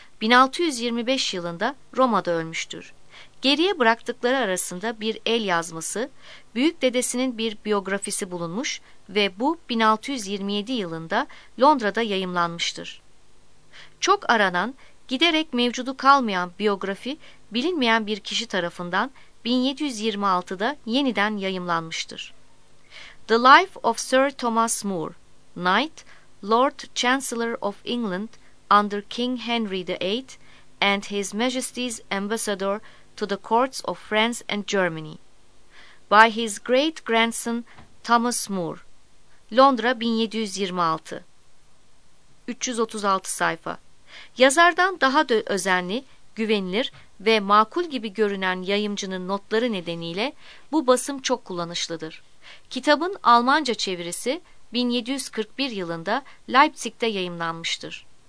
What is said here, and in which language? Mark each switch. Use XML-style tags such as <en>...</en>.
<tr>1625 yılında Roma'da ölmüştür. Geriye bıraktıkları arasında bir el yazması, büyük dedesinin bir biyografisi bulunmuş ve bu 1627 yılında Londra'da yayımlanmıştır. Çok aranan, giderek mevcudu kalmayan biyografi bilinmeyen bir kişi tarafından 1726'da yeniden yayımlanmıştır.</tr> <en>The Life of Sir Thomas Moore, Knight, Lord Chancellor of England under King Henry VIII and His Majesty's Ambassador to the Courts of France and Germany, by His Great Grandson Thomas Moore, Londra 1726.</en> <tr>336 sayfa. Yazardan daha da özenli, güvenilir ve makul gibi görünen yayımcının notları nedeniyle bu basım çok kullanışlıdır. Kitabın Almanca çevirisi 1741 yılında Leipzig'te yayımlanmıştır.</tr>